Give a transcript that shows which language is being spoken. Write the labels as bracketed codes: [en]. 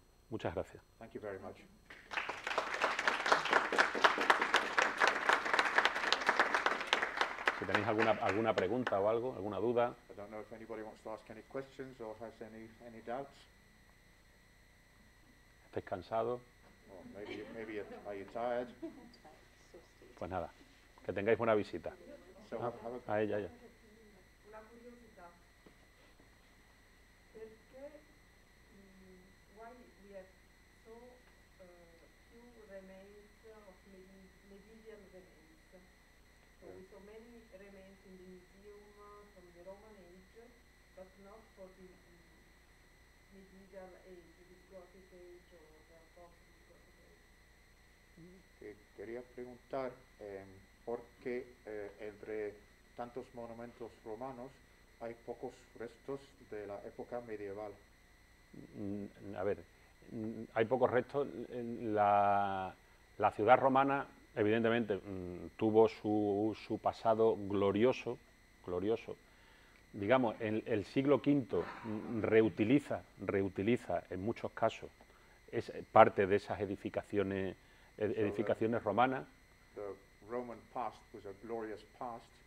[es] Muchas gracias. Si tenéis alguna pregunta o algo, alguna duda. [en] I don't know if anybody wants to ask any questions or has any doubts. [es] ¿Estáis cansados? [en] Well, maybe are you tired? [es] Pues nada, que tengáis buena visita. [en] So [es] a ella, ya. Una curiosidad. ¿Por qué [en] why we have so few remains of medieval remains? So with so many remains in the museum from the Roman age, but not for the medieval age, the Gothic age or the Gothic age. [es] Quería preguntar por qué entre tantos monumentos romanos hay pocos restos de la época medieval. A ver, hay pocos restos. La ciudad romana, evidentemente, tuvo su pasado glorioso, glorioso. Digamos, el siglo V reutiliza en muchos casos es parte de esas edificaciones romanas. [en] The Roman past was a glorious past.